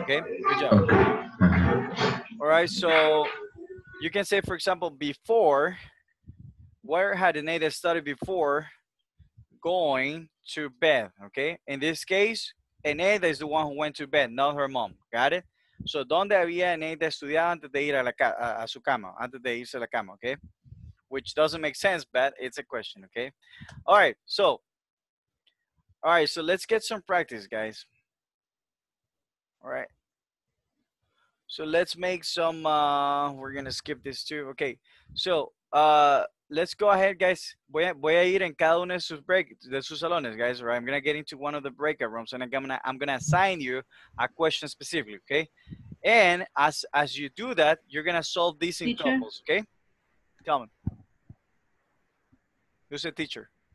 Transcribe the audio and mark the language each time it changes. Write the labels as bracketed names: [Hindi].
[English] Okay, good job. All right, so you can say, for example, before, where had Eneida studied before going to bed, okay? In this case, Eneida is the one who went to bed, not her mom, got it? [Spanish] So, ¿dónde había Eneida estudiado antes de ir a su cama? Antes de irse a la cama, okay? [English] Which doesn't make sense, but it's a question, okay? All right, so let's get some practice, guys. All right. So let's make some, we're going to skip this too. Okay, so let's go ahead, guys. [Spanish] Voy a ir en cada uno de sus salones, guys. [English] All right, I'm going to get into one of the breakout rooms, and I'm going to assign you a question specifically, okay? And as you do that, you're going to solve this in teacher? Couples, okay? Tell me. Who's the teacher?